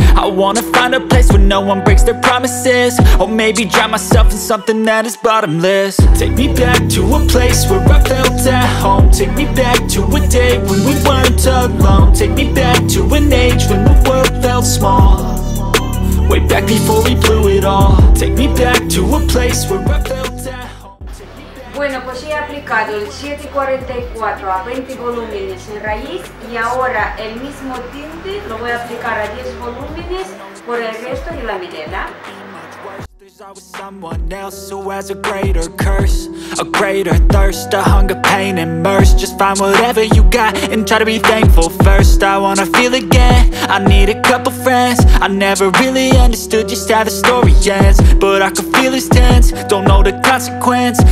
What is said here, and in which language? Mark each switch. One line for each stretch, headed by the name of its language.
English: I wanna find a place where no one breaks their promises, or maybe drown myself in something that is bottomless. Take me back to a place where I felt at home. Take me back to a day when we weren't alone. Take me back to an age when the world felt small, way back before we blew it all. Take me back to a place where I felt at home.
Spanish: Bueno, pues he aplicado el 744 a 20 volúmenes en raíz y ahora el mismo tinte lo voy a aplicar a 10 volúmenes por el resto de la medida.
English: With someone else who has a greater curse, a greater thirst, a hunger, pain, and mercy. Just find whatever you got and try to be thankful first. I wanna feel again, I need a couple friends. I never really understood just how the story ends, but I can feel it's tense, don't know the consequence.